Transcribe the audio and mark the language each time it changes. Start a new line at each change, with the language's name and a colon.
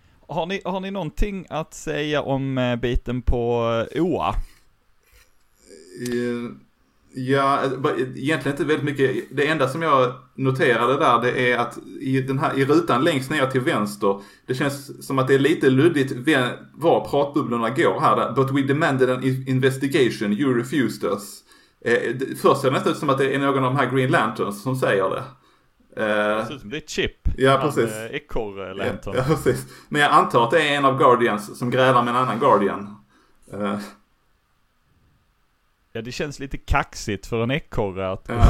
Swedish: Har ni någonting att säga om biten på Oa? Ja, egentligen inte väldigt mycket. Det enda som jag noterade där, det är att i rutan längst ner till vänster, det känns som att det är lite luddigt var pratbubblorna går här.
English: But we demanded an investigation, you refused us.
Swedish: Först ser det nästan ut som att det är någon av de här Green Lanterns som säger det. Det är Chip. Ja, precis. Ekor-lantern. Ja, precis. Men jag antar att det är en av Guardians som grälar med en annan Guardian. Ja, det känns lite kaxigt för en ekorre att...